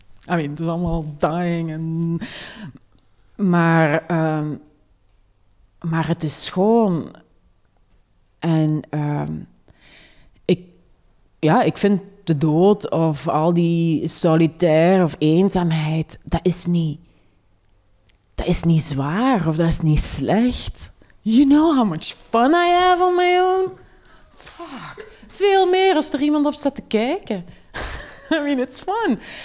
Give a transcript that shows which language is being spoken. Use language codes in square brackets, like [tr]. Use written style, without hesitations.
[en] I mean, [nl] het is allemaal dying. Maar het is schoon. En ik vind de dood of al die solitair of eenzaamheid, dat is niet zwaar of dat is niet slecht. [en] You know how much fun I have on my own? Fuck. [nl] Veel meer als er iemand op staat te kijken. [en] I mean, it's fun.